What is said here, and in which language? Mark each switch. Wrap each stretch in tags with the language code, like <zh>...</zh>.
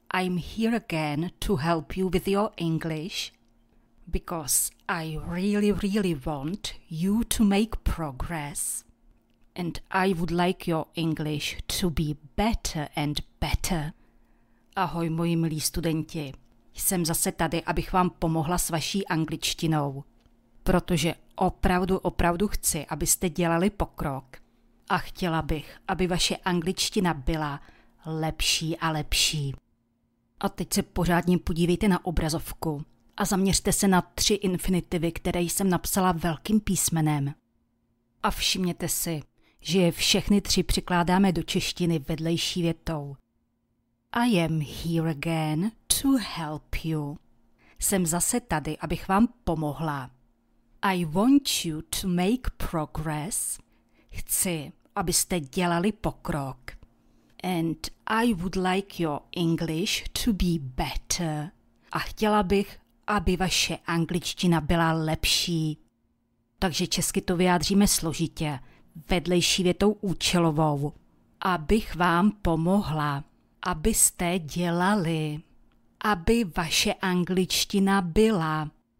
<en>I'm here again to help you with your English because I really want you to make progress and I would like your English to be better and better.</en> <cs>Ahoj, moji milí studenti. Jsem zase tady, abych vám pomohla s vaší angličtinou, protože opravdu chci, abyste dělali pokrok a chtěla bych, aby vaše angličtina byla lepší a lepší. A teď se pořádně podívejte na obrazovku a zaměřte se na tři infinitivy, které jsem napsala velkým písmenem. A všimněte si, že je všechny tři přikládáme do češtiny vedlejší větou.</cs> <en>I am here again to help you.</en> <cs>Jsem zase tady, abych vám pomohla.</cs> <en>I want you to make progress.</en> <cs>Chci, abyste dělali pokrok.</cs> <en>And I would like your English to be better.</en> <cs>A chtěla bych, aby vaše angličtina byla lepší. Takže česky to vyjádříme složitě, vedlejší větou účelovou. Abych vám pomohla, abyste dělali, aby vaše angličtina byla.</cs>